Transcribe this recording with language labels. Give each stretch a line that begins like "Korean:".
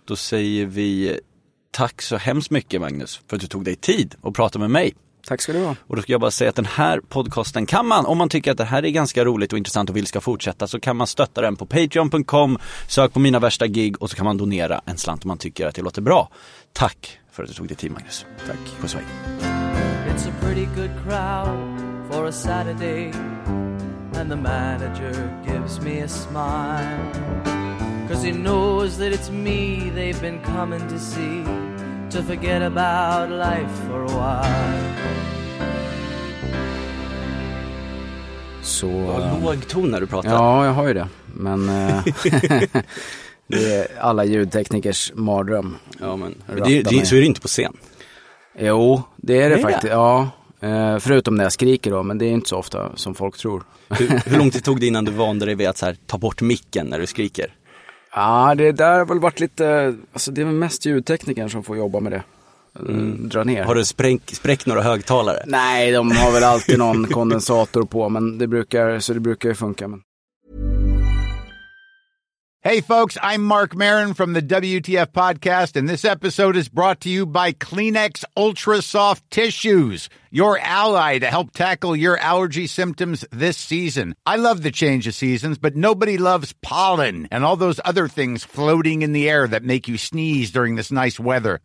Swedish: Då säger vi tack så hemskt mycket, Magnus, för att du tog dig tid och pratade med mig. Tack ska du ha. Och då ska jag bara säga att den här podcasten kan man, om man tycker att det här är ganska roligt och intressant och vill ska fortsätta, så kan man stötta den på patreon.com, sök på Mina värsta gig, och så kan man donera en slant om man tycker att det låter bra. Tack för att du tog dig tid, Magnus. Tack. På Sverige.
English: It's a pretty good crowd for a Saturday, and the manager gives me a smile, 'cause he knows that it's me they've been coming to see, to forget about life for a while.
Swedish: Så lågton när du pratar. Ja, jag har ju det. Men det är alla ljudteknikers mardröm. Ja, men så är det inte på scen. Jo, det är det faktiskt. Ja, förutom när jag skriker då, men det är inte så ofta som folk tror. Hur långt det tog det innan du vande dig vid att så här, ta bort micken när du skriker? Ja, det där har väl varit lite, alltså det är mest ljudteknikern som får jobba med det. Dra ner. Har du spräckt några högtalare? Nej, de har väl alltid någon kondensator på, men det brukar, så det brukar ju funka. Men...
English: Hey folks, I'm Mark Maron from the WTF podcast, and this episode is brought to you by Kleenex Ultra Soft Tissues. your ally to help tackle your allergy symptoms this season. I love the change of seasons, but nobody loves pollen and all those other things floating in the air that make you sneeze during this nice weather.